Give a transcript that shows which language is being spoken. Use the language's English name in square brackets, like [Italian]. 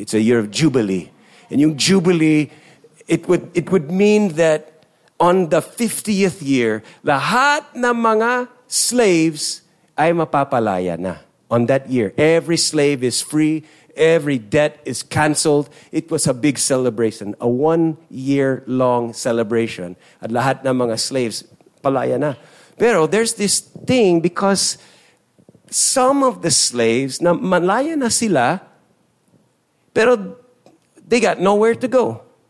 [English] It's a year of Jubilee. And yung Jubilee, it would mean that on the 50th year, [Filipino] lahat ng mga slaves ay mapapalaya na. [English] On that year, every slave is free, every debt is canceled. It was a big celebration, a one-year-long celebration. [Filipino] At lahat ng mga slaves, palaya na. [English] Pero there's this thing, because some of the slaves, [Filipino] na malaya na sila, [English] pero they got nowhere to go.